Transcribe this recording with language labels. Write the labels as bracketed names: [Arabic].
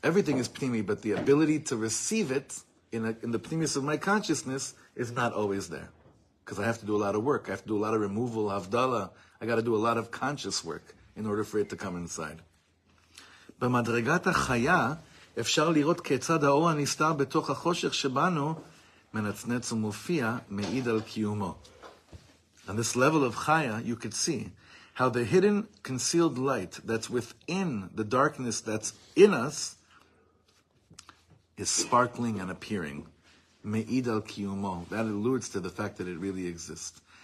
[English] Everything is pnimi, but the ability to receive it in the pnimius of my consciousness is not always there. Because I have to do a lot of work. I have to do a lot of removal, havdala. I got to do a lot of conscious work in order for it to come inside. [Hebrew] במדרגת החיה אפשר לראות כיצד האור הנסתר בתוך החושך שבנו מנצנץ ומופיע מעיד על קיומו. [English] On this level of chaya, you could see how the hidden, concealed light that's within the darkness that's in us is sparkling and appearing. [Hebrew] מעיד על קיומו. [English] That alludes to the fact that it really exists.